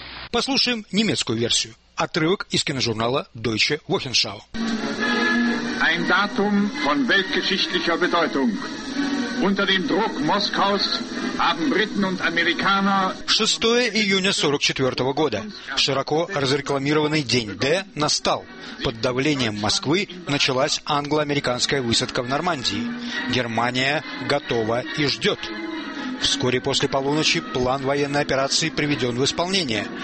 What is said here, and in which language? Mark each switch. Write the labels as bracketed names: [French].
[Russian] Послушаем немецкую версию. Отрывок из киножурнала Deutsche Wochenschau. [German] Ein Datum von weltgeschichtlicher Bedeutung. Unter dem Druck Moskaus haben Briten und Amerikaner [Russian] 6 июня 44 года. Широко разрекламированный день Д настал. Под давлением Москвы началась англо-американская высадка в Нормандии. Германия готова и ждет. Вскоре после полуночи план военной операции приведен в исполнение.